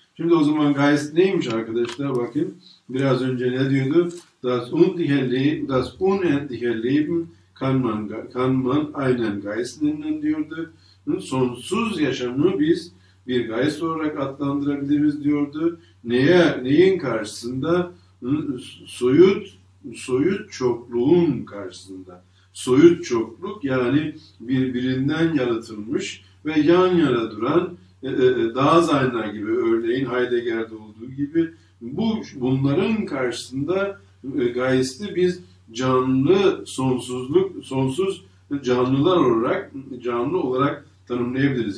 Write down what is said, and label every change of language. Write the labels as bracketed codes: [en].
[tr] Şimdi o zaman Geist neymiş arkadaşlar, bakın. Biraz önce ne diyordu? [de] Das unendliche Leben kann man einen Geist nennen [tr] diyordu. Sonsuz yaşamı biz bir Geist olarak adlandırabiliriz diyordu. Neyin karşısında? Soyut çokluğun karşısında. Soyut çokluk, yani birbirinden yaratılmış ve yan yana duran Dasein'ler gibi, örneğin Heidegger'de olduğu gibi, bunların karşısında Geist'i biz canlı sonsuzluk, sonsuz canlılar olarak, canlı olarak tanımlayabiliriz.